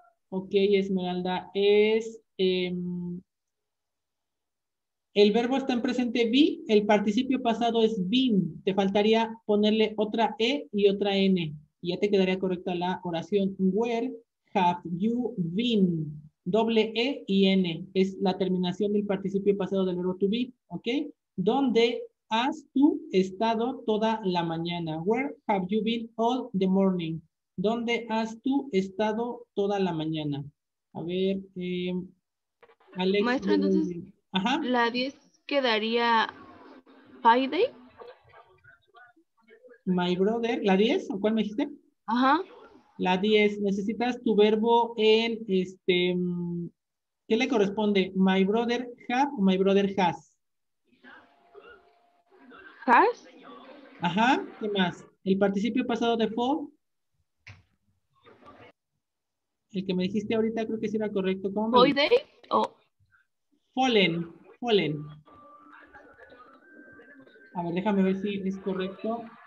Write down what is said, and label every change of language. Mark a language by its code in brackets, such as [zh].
[es] Ok, Esmeralda, es el verbo está en presente be, el participio pasado es been, te faltaría ponerle otra E y otra N, y ya te quedaría correcta la oración. [en] Where have you been? [es] Doble E y N, es la terminación del participio pasado del verbo to be, ok. ¿Dónde has tú estado toda la mañana? [en] Where have you been all the morning? [es] ¿Dónde has tú estado toda la mañana? A ver, Alex. Maestra, entonces, ¿ajá? La 10 quedaría Friday. [en] My brother, [es] ¿la 10? ¿O cuál me dijiste? Ajá. La 10, necesitas tu verbo en, ¿qué le corresponde? [en] My brother have o my brother has. Has. [es] Ajá, ¿qué más? El participio pasado de for. El que me dijiste ahorita creo que sí era correcto. ¿Cómo? Hoy day o. [en] Fallen. [es] A ver, déjame ver si es correcto.